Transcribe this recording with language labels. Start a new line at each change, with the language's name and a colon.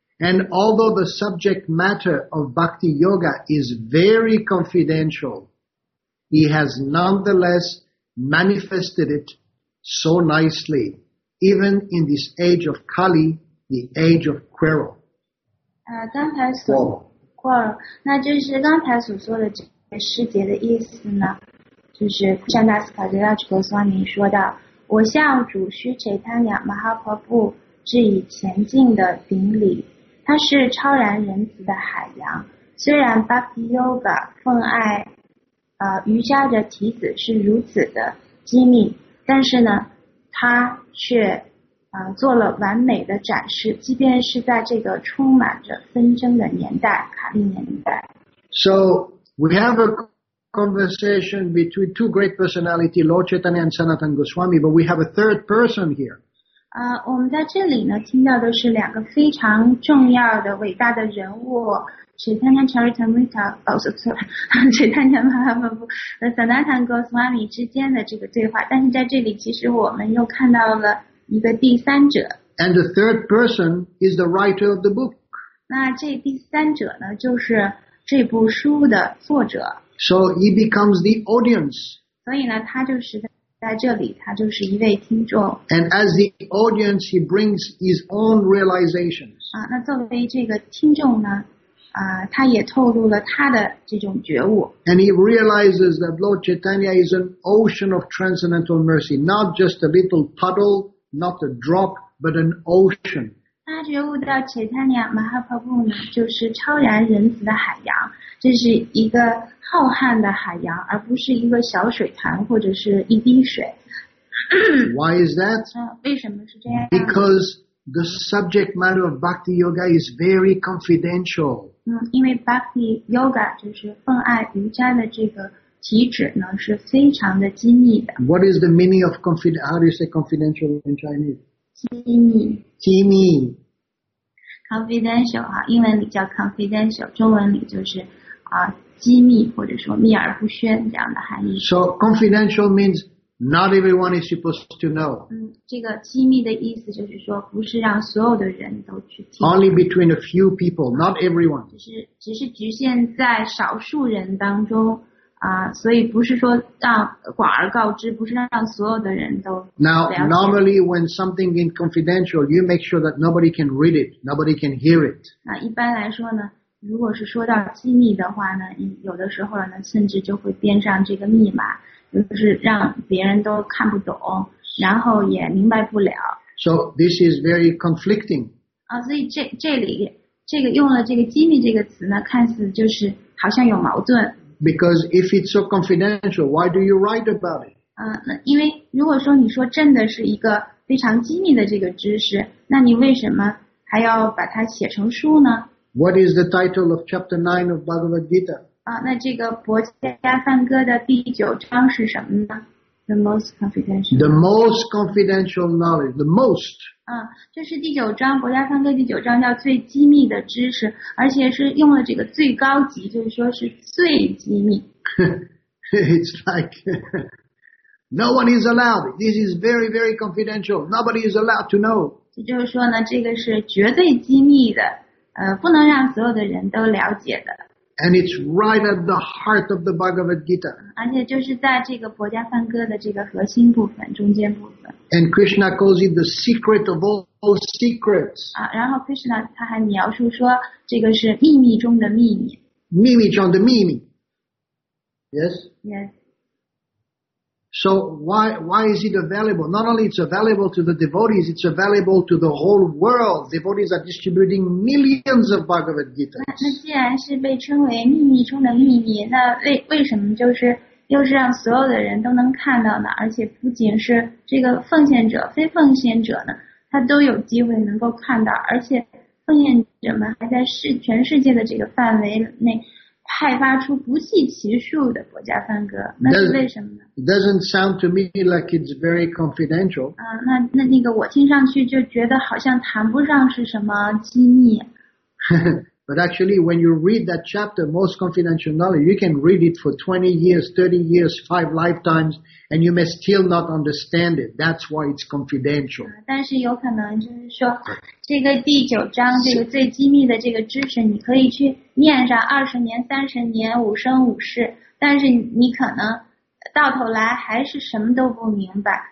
English: And although the subject matter of bhakti yoga is very confidential. He has nonetheless manifested it so nicely, even in this age of Kali, the age of quarrel.
Chinese: 刚才所 quarrel, 那就是刚才所说的这个诗节的意思呢，就是善达斯卡迪拉吉格斯瓦米说道，我向主须切坦雅马哈婆布致以前进的顶礼，它是超然仁慈的海洋，虽然巴皮尤嘎奉爱瑜伽的体子是如此的机密，但是呢，他却做了完美的展示，即便是在这个充满着纷争的年代，卡利年代。
English: So we have a conversation between two great personalities, Lord Chaitanya and Sanatan Goswami, but we have a third person here.
Chinese: 我们在这里呢，听到的是两个非常重要的、伟大的人物。 Chaitanya Charitamrita, Chaitanya Mahaprabhu 和 Sanatan Goswami 之间的这个对话，但是在这里其实我们又看到了一个第三者。
English: And the third person is the writer of the book.
Chinese: 那这第三者呢，就是这部书的作者。
English: So he becomes the audience.
Chinese: 所以呢，他就是在这里，他就是一位听众。
English: And as the audience, he brings his own realizations.
Chinese: 那作为这个听众呢？他也透露了他的这种觉悟。
English: And he realizes that Lord Chaitanya is an ocean of transcendental mercy, not just a little puddle, not a drop, but an ocean.
Chinese: 他觉悟到 Chaitanya Mahaprabhu 呢，就是超然仁慈的海洋，这是一个浩瀚的海洋，而不是一个小水潭或者是一滴水。
English: Why is that?
Chinese: 为什么是这样？
English: Because the subject matter of Bhakti Yoga is very confidential.
Chinese: 因为 Bhakti Yoga 就是奉爱瑜伽的这个体旨呢，是非常的机密的。
English: What is the meaning of confidential? How do you say confidential in Chinese?
Chinese: 机密 confidential 啊，英文里叫 confidential， 中文里就是啊机密或者说秘而不宣这样的含义。
English: So confidential means not everyone is supposed to know。
Chinese: 这个机密的意思就是说，不是让所有的人都去听。
English: Only between a few people, not everyone。
Chinese: 只是局限在少数人当中。所以不是说让寡而告之，不是让所有的人都了解。
English: Now, normally when something is confidential, you make sure that nobody can read it, nobody can hear it.
Chinese: 那一般来说呢，如果是说到机密的话呢，有的时候呢，甚至就会编上这个密码，就是让别人都看不懂，然后也明白不了。
English: So this is very conflicting.
Chinese: 所以这里用了这个机密这个词呢，看似就是好像有矛盾。
English: Because if it's so confidential, why do you write about it?
Chinese: 那因为如果说你说真的是一个非常机密的这个知识，那你为什么还要把它写成书呢？
English: What is the title of chapter 9 of Bhagavad Gita?
Chinese: 那这个《博伽耶梵歌》的第九章是什么呢？
English: The most confidential. The most confidential knowledge. The most.
Chinese: 这是第九章，《博伽梵歌》第九章叫最机密的知识，而且是用了这个最高级，就是说是最机密。
English: It's like no one is allowed. This is very, very confidential. Nobody is allowed to know.
Chinese: 就是说呢，这个是绝对机密的，不能让所有的人都了解的。
English: And it's right at the heart of the Bhagavad Gita.
Chinese: 而且就是在这个《博伽梵歌》的这个核心部分，中间部分。
English: And Krishna calls it the secret of all secrets.
Chinese: 然后 Krishna 他还描述说，这个是秘密中的秘密。秘密中的秘密。Yes.
English: Yes. So why is it available? Not only it's available to the devotees, it's available to the whole world. Devotees are distributing millions of Bhagavad Gita.
Chinese: 那既然是被称为秘密中的秘密，那为什么就是？又是让所有的人都能看到的，而且不仅是这个奉献者、非奉献者呢，他都有机会能够看到，而且奉献者们还在全世界的这个范围内派发出不计其数的博伽梵歌，那是为什么呢？
English: Doesn't sound to me like it's very confidential.
Chinese: 那个我听上去就觉得好像谈不上是什么机密。
English: But actually, when you read that chapter, most confidential knowledge, you can read it for 20 years, 30 years, 5 lifetimes, and you may still not understand it. That's why it's confidential.
Chinese: 但是有可能就是说，这个第九章，这个最机密的这个知识，你可以去念上20年、30年、五生五世，但是你可能到头来还是什么都不明白。